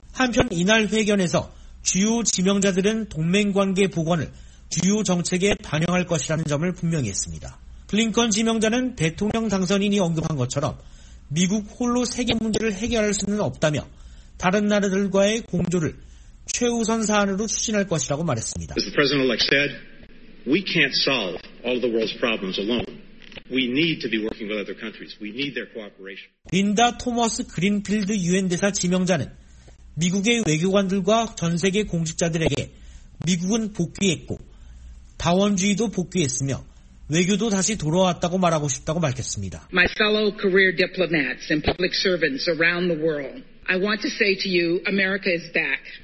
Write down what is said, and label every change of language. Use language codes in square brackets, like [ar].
[ko] 한편 이날 회견에서 주요 지명자들은 동맹관계 복원을 주요 정책에 반영할 것이라는 점을 분명히 했습니다. 블링컨 지명자는 대통령 당선인이 언급한 것처럼 미국 홀로 세계 문제를 해결할 수는 없다며 다른 나라들과의 공조를 최우선 사안으로 추진할 것이라고 말했습니다. [en] As the President-elect said, we can't solve all the world's problems alone. We need to be working with other countries. We need their cooperation. [ko] 린다 토머스 그린필드 유엔 대사 지명자는 미국의 외교관들과 전 세계 공직자들에게 미국은 복귀했고 다원주의도 복귀했으며 외교도 다시 돌아왔다고 말하고 싶다고 밝혔습니다. [en] My fellow career diplomats and public servants around the world, I want to say to you, America is back.